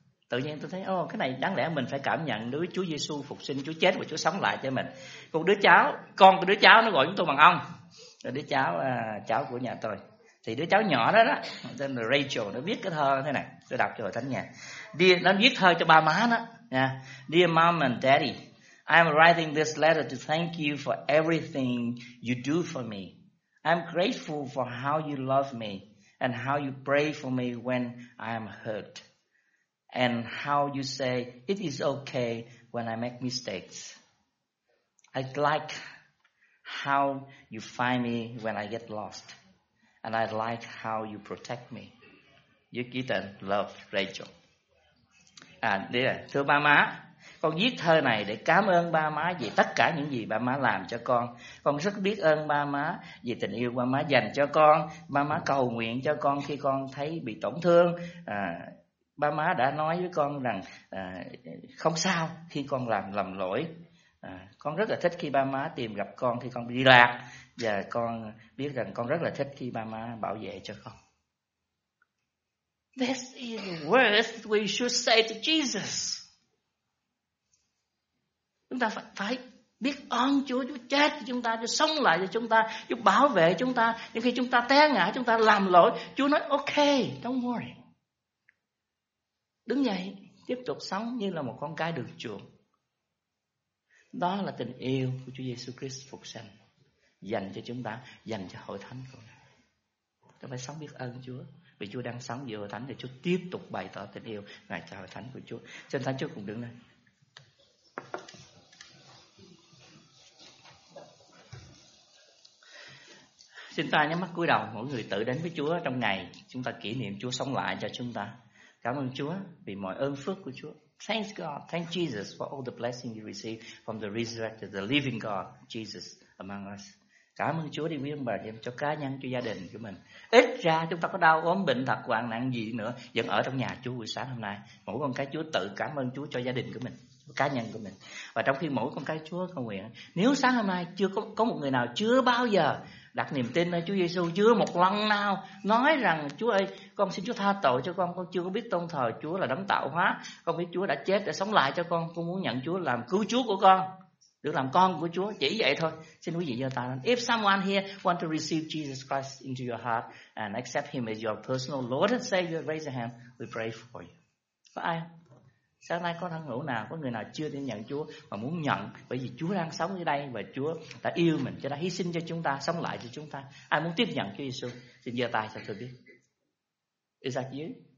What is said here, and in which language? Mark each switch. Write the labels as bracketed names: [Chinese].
[Vietnamese] Tự nhiên tôi thấy cái này đáng lẽ mình phải cảm nhận đứa Chúa Giêsu phục sinh, Chúa chết và Chúa sống lại cho mình. Còn đứa cháu, con của đứa cháu nó gọi chúng tôi bằng ông. Rồi đứa cháu cháu của nhà tôi. Thì đứa cháu nhỏ đó tên là Rachel, nó viết cái thơ thế này, tôi đọc cho hội thánh nghe. Nó viết thơ cho ba má nó nha. [English] Dear mom and daddy, I am writing this letter to thank you for everything you do for me. I am grateful for how you love me and how you pray for me when I am hurt. And how you say it is okay when I make mistakes. I like how you find me when I get lost. And I like how you protect me. You get and love Rachel. [Vietnamese] Thưa ba má, con viết thơ này để cảm ơn ba má vì tất cả những gì ba má làm cho con. Con rất biết ơn ba má vì tình yêu ba má dành cho con. Ba má cầu nguyện cho con khi con thấy bị tổn thương. Ba má đã nói với con rằng không sao khi con làm lầm lỗi. Con rất là thích khi ba má tìm gặp con khi con đi lạc. Và con biết rằng con rất là thích khi ba má bảo vệ cho con. [English] This is the words we should say to Jesus. [Vietnamese] Chúng ta phải biết ơn Chúa. Chúa chết cho chúng ta, Chúa sống lại cho chúng ta, Chúa bảo vệ chúng ta. Nhưng khi chúng ta té ngã, chúng ta làm lỗi, Chúa nói ok, [English] don't worry. [Vietnamese] Đứng dậy, tiếp tục sống như là một con cái được chuộc. Đó là tình yêu của Chúa Giêsu Christ phục sinh dành cho chúng ta, dành cho hội thánh của Ngài. Chúng ta phải sống biết ơn Chúa, vì Chúa đang sống giữa hội thánh để Chúa tiếp tục bày tỏ tình yêu Ngài cho hội thánh của Chúa. Xin Thánh Chúa cùng đứng lên. Xin ta nhắm mắt cúi đầu, mỗi người tự đến với Chúa trong ngày chúng ta kỷ niệm Chúa sống lại cho chúng ta. Cảm ơn Chúa vì mọi ơn phước của Chúa. [English] Thanks God, thank Jesus for all the blessings you receive from the resurrected, the living God, Jesus among us. [Vietnamese] Cảm ơn Chúa đi quý ông bà chị em, cho cá nhân, cho gia đình của mình. Ít ra chúng ta có đau ốm bệnh tật hoạn nạn gì nữa, vẫn ở trong nhà Chúa buổi sáng hôm nay. Mỗi con cái Chúa tự cảm ơn Chúa cho gia đình của mình, cá nhân của mình. Và trong khi mỗi con cái Chúa cầu nguyện, nếu sáng hôm nay chưa có một người nào chưa bao giờ đặt niềm tin nơi Chúa Giêsu, chưa một lần nào nói rằng Chúa ơi, con xin Chúa tha tội cho con chưa có biết tôn thờ Chúa là đấng tạo hóa, con biết Chúa đã chết để sống lại cho con muốn nhận Chúa làm cứu Chúa của con, được làm con của Chúa, chỉ vậy thôi. Xin quý vị giơ tay lên. [English] If someone here want to receive Jesus Christ into your heart and accept him as your personal Lord and Savior, raise your hand, we pray for you. [Vietnamese] Có ai sáng nay có thân hữu nào, có người nào chưa tin nhận Chúa mà muốn nhận, bởi vì Chúa đang sống ở đây và Chúa đã yêu mình, cho đã hy sinh cho chúng ta, sống lại cho chúng ta. Ai muốn tiếp nhận Chúa Giêsu, xin giơ tay cho tôi biết. [English] Is that you?